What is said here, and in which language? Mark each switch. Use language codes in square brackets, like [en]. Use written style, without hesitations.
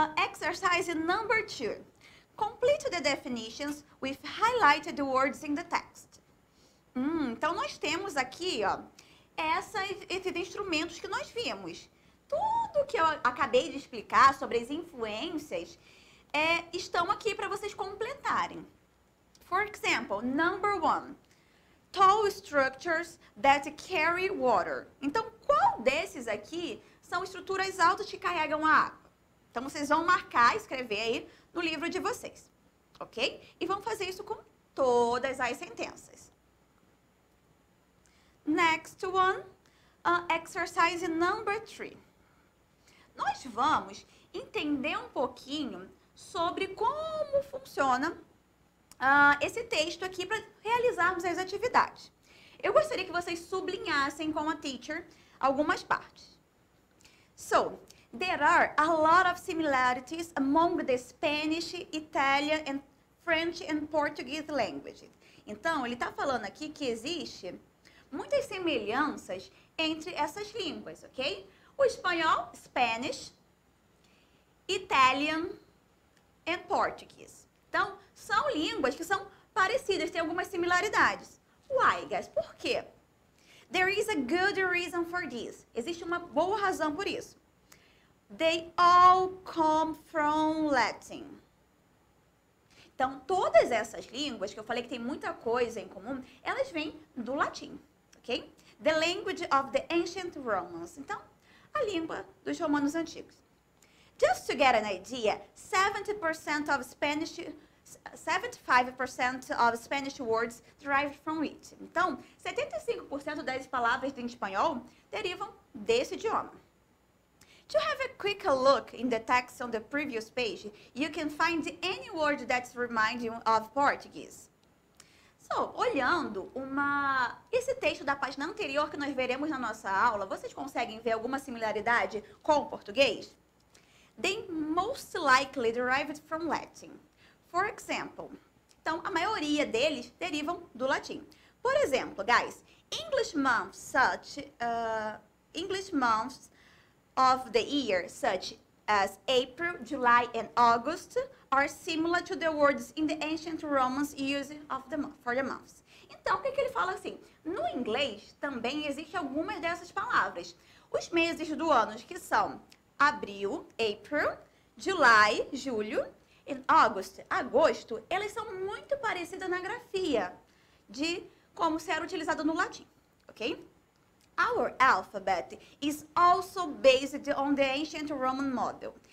[en] Exercise number 2. Complete the definitions with highlighted words in the text. [pt] Então, nós temos aqui, ó, esses instrumentos que nós vimos. Tudo que eu acabei de explicar sobre as influências estão aqui para vocês completarem. [en] For example, number 1, tall structures that carry water. [pt] Então, qual desses aqui são estruturas altas que carregam a água? Então, vocês vão marcar, escrever aí no livro de vocês, ok? E vão fazer isso com todas as sentenças. [en] Next one, exercise number 3. [pt] Nós vamos entender um pouquinho sobre como funciona esse texto aqui para realizarmos as atividades. Eu gostaria que vocês sublinhassem com a teacher algumas partes. [en] So, there are a lot of similarities among the Spanish, Italian, and French and Portuguese languages. [pt] Então, ele está falando aqui que existe muitas semelhanças entre essas línguas, ok? O espanhol, [en] Spanish, Italian and Portuguese. [pt] Então, são línguas que são parecidas, têm algumas similaridades. [en] Why, guys? [pt] Por quê? [en] There is a good reason for this. [pt] Existe uma boa razão por isso. [en] They all come from Latin. [pt] Então, todas essas línguas, que eu falei que tem muita coisa em comum, elas vêm do latim, ok? [en] The language of the ancient Romans. [pt] Então, a língua dos romanos antigos. [en] Just to get an idea, 70% of Spanish, 75% of Spanish words derived from it. [pt] Então, 75% das palavras em espanhol derivam desse idioma. [en] To have a quick look in the text on the previous page, you can find any word that's reminding of Portuguese. [pt] So, olhando esse texto da página anterior que nós veremos na nossa aula, vocês conseguem ver alguma similaridade com o português? [en] They most likely derived from Latin. For example, [pt] então a maioria deles derivam do latim. Por exemplo, [en] guys, English months such English months of the year such as April, July and August are similar to the words in the ancient Romans used of the for the months. [pt] Então, o que que ele fala assim? No inglês também existe algumas dessas palavras. Os meses do ano que são abril, April, July, julho e agosto, elas são muito parecidas na grafia de como se era utilizado no latim, ok? [en] Our alphabet is also based on the ancient Roman model.